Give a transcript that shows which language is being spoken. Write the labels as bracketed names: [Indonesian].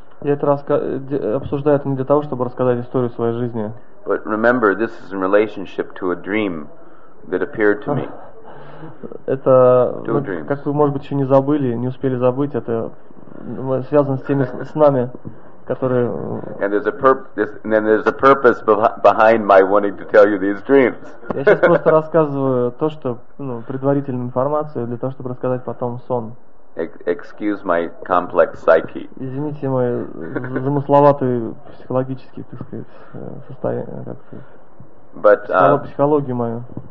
[Russian] Я это обсуждаю это не для того, чтобы рассказать историю своей жизни. [English] But remember, this is in relationship to a dream that appeared to me. [Russian] Это, как вы, может быть, еще не забыли, не успели забыть, это связано с теми снами, которые... [English] And there's a purpose behind my wanting to tell you these dreams. [Russian] Я сейчас просто рассказываю то, что, ну, предварительную информацию, для того, чтобы рассказать потом сон. [English] Excuse my complex psyche. [Russian] Извините мой замысловатый психологический, так сказать, состояние, как сказать, психологию мою.